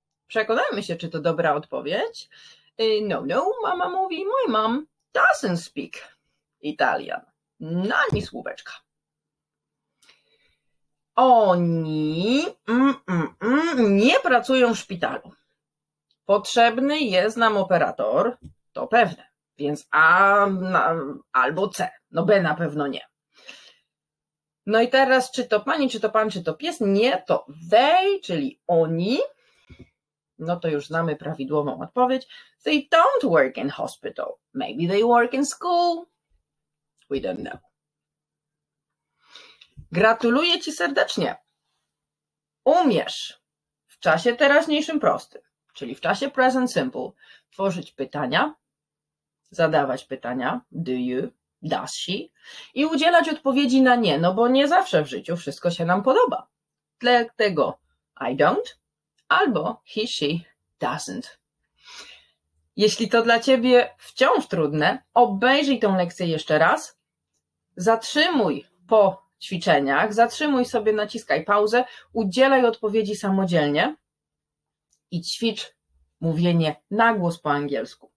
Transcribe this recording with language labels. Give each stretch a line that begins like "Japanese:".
Polish: Przekonajmy się, czy to dobra odpowiedź. No, mama mówi,
English: my mom doesn't speak Italian.
Polish: No, ani słóweczka. Oni nie pracują w szpitalu. Potrzebny jest nam operator, to pewne, więc A albo C, no B na pewno nie. No i teraz, czy to pani, czy to pan, czy to pies? Nie, to they, czyli oni. No to już znamy prawidłową odpowiedź.
English: They don't work in hospital. Maybe they work in school. We don't know.
Polish: Gratuluję ci serdecznie. Umiesz w czasie teraźniejszym prostym, czyli w czasie present simple, tworzyć pytania, zadawać pytania,
English: do you, does she,
Polish: i udzielać odpowiedzi na nie, no bo nie zawsze w życiu wszystko się nam podoba. Dlatego
English: I don't
Polish: albo
English: he, she doesn't.
Polish: Jeśli to dla ciebie wciąż trudne, obejrzyj tę lekcję jeszcze raz, zatrzymuj po ćwiczeniach, zatrzymuj sobie, naciskaj pauzę, udzielaj odpowiedzi samodzielnie i ćwicz mówienie na głos po angielsku.